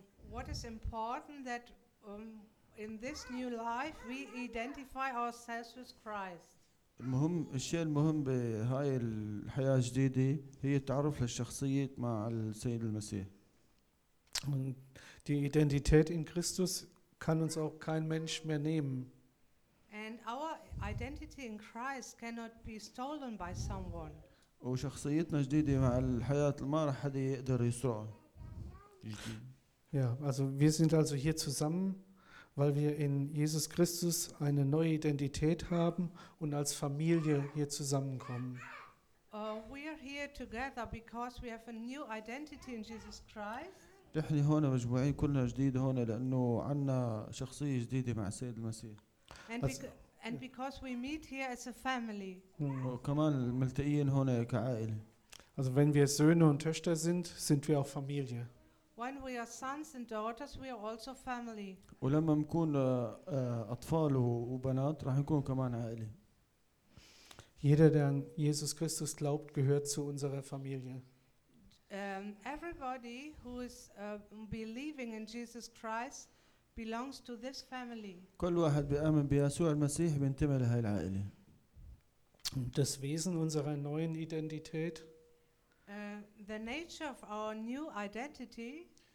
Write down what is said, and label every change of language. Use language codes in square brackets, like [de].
[en] What is important that in this new life we identify ourselves with Christ. [ar] المهم الشيء المهم بهاي الحياة الجديدة هي التعرف للشخصية مع السيد المسيح. [de] Die Identität in Christus kann uns auch kein Mensch mehr nehmen. [en] And our identity in Christ cannot be stolen by someone. [ar] وشخصيتنا الجديدة مع الحياة ما رح حد يقدر يسرقها. [de] Ja, also wir sind also hier zusammen, weil wir in Jesus Christus eine neue Identität haben und als Familie hier zusammenkommen. [en] We are here together because we have a new identity in Jesus Christ. [ar] نحن هنا مجموعين كلنا جديد هنا لأنه عنا شخصية جديدة مع السيد المسيح. [en] And because we meet here as a family. [ar] كمان ملتقيين هنا كعائلة. [de] Also wenn wir Söhne und Töchter sind, sind wir auch Familie. [en] When we are sons and daughters, we are also family. [ar] ولما نكون أطفال وبنات راح نكون كمان عائلة. [de] Jeder, der an Jesus Christus glaubt, gehört zu unserer Familie. [en] Everybody who is believing in Jesus Christ belongs to this family. [ar] كل واحد بيؤمن بيسوع المسيح بينتمي لهاي العائلة. [de] Das Wesen unserer neuen Identität. [en] The nature of our new identity.